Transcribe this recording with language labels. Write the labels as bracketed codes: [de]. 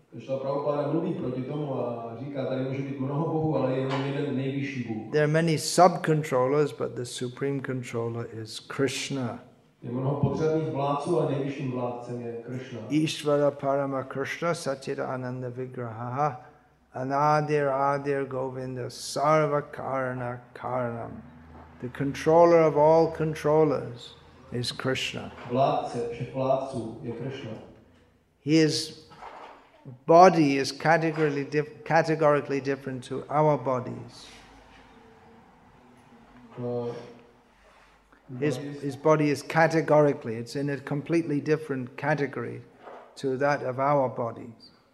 [cs] Srila Prabhupada mluví proti tomu a říká, tady může být mnoho bohů, ale je jenom jeden nejvyšší bůh. [en] There are many sub-controllers, but the supreme controller is Krishna. [cs] Je mnoho podřadných vládců a nejvyšším vládcem je Krishna. [sa] Ishvara Parama Krishna Satyra Ananda Vigraha Anadir Adir Govinda Sarva Karana Karanam. [en] The controller of all controllers is Krishna. [cs] Vládce všech vládců je Krishna. [en] His body is categorically different to our bodies. His body is categorically, it's in a completely different category to that of our bodies.